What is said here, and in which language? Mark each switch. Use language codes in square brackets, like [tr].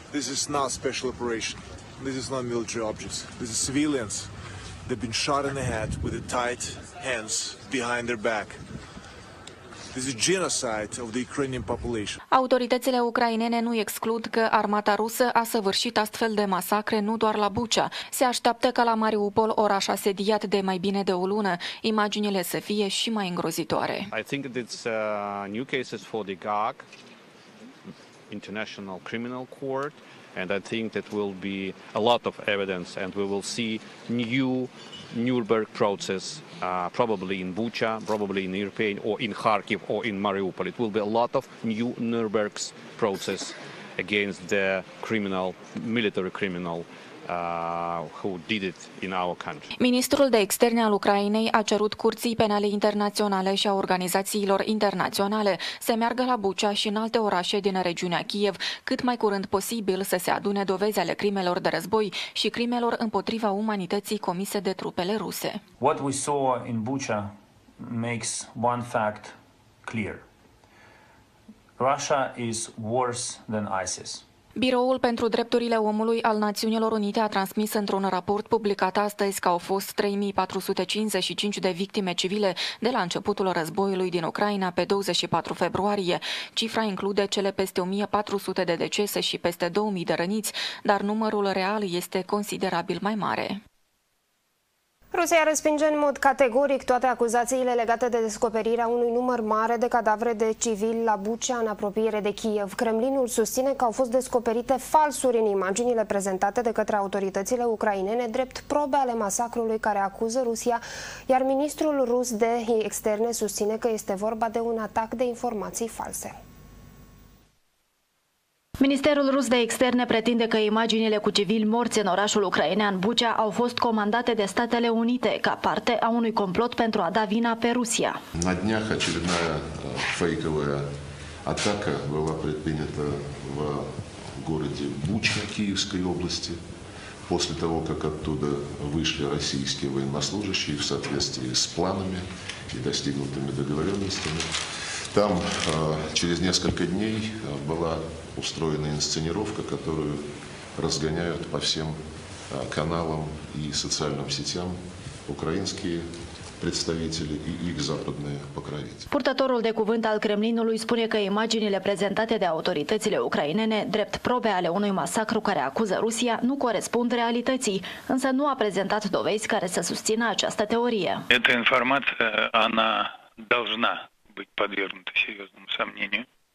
[en] This is not special operation. This is not military objects. This is civilians. They've been shot in the head with the tight hands behind their back. This is genocide of the Ukrainian population. [ro] Autoritățile ucrainene nu exclud că armata rusă a săvârșit astfel de masacre nu doar la Bucea. Se așteaptă ca la Mariupol, oraș asediat de mai bine de o lună, imaginile să fie și mai îngrozitoare. [en] I think it's new cases for the GAC, International Criminal Court, and I think that will be a lot of evidence and we will see new Nuremberg process, probably in Bucha, probably in Irpin, or in Kharkiv, or in Mariupol. It will be a lot of new Nuremberg process against the criminal, military criminal. Who did it in our country. [ro] Ministrul de Externe al Ucrainei a cerut Curții Penale Internaționale și a organizațiilor internaționale să meargă la Bucea și în alte orașe din regiunea Kiev cât mai curând posibil să se adune dovezi ale crimelor de război și crimelor împotriva umanității comise de trupele ruse. [en] What we saw in Bucha makes one fact clear. Russia is worse than ISIS. [ro] Biroul pentru Drepturile Omului al Națiunilor Unite a transmis într-un raport publicat astăzi că au fost 3455 de victime civile de la începutul războiului din Ucraina pe 24 februarie. Cifra include cele peste 1400 de decese și peste 2000 de răniți, dar numărul real este considerabil mai mare. Rusia respinge în mod categoric toate acuzațiile legate de descoperirea unui număr mare de cadavre de civili la Bucea, în apropiere de Kiev. Kremlinul susține că au fost descoperite falsuri în imaginile prezentate de către autoritățile ucrainene, drept probe ale masacrului care acuză Rusia, iar ministrul rus de externe susține că este vorba de un atac de informații false. Ministerul rus de externe pretinde că imaginile cu civili morți în orașul ucrainean Bucea au fost comandate de Statele Unite ca parte a unui complot pentru a da vina pe Rusia. [ru] На днях очередная фейковая атака была предпринята в городе Буча Киевской области после того, как оттуда вышли российские военнослужащие в соответствии с планами и достигнутыми договоренностями. Там через несколько дней была устроена инсценировка, которую разгоняют по всем каналам и социальным сетям украинские представители и их западные покровители. [ro] Purtătorul de cuvânt al Kremlinului spune că imaginile prezentate de autoritățile ucrainene, drept probe ale unui masacru care acuză Rusia, nu corespund realității, însă nu a prezentat dovezi care să susțină această teorie. [ru] Эта информация, она должна быть подвергнута серьезному сомнению.